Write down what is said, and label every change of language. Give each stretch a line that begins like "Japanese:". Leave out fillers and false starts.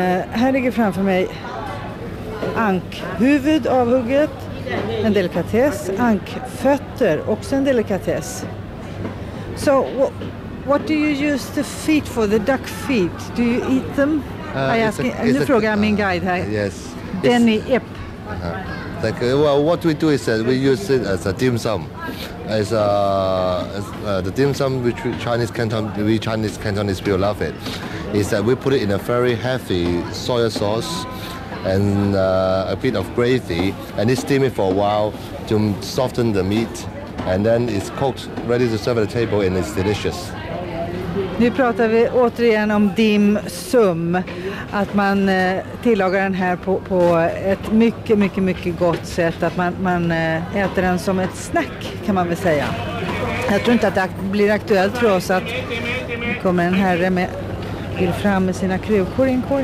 Swedish: Här ligger framför mig ankhuvud avhugget, en delikatess, ankfötter, också en delikatess.
English: So, what do you use the feet for, the duck feet? Do you eat them?
Swedish: Nu frågar jag min guide här.
English: Yes. Benny Ip. What we do is that we use it as a dim sum. The dim sum which Chinese Cantonese people love it, is that we put it in a very heavy soy sauce and a bit of gravy, and it steam it for a while to soften the meat. And then it's cooked, ready to serve at the table, and it's delicious.
Swedish: Nu pratar vi återigen om dim sum. Att man tillagar den här på ett mycket, mycket, mycket gott sätt. Att man äter den som ett snack, kan man väl säga. Jag tror inte att det blir aktuellt för oss att kommer en herre med vill fram med sina krukor i en korg.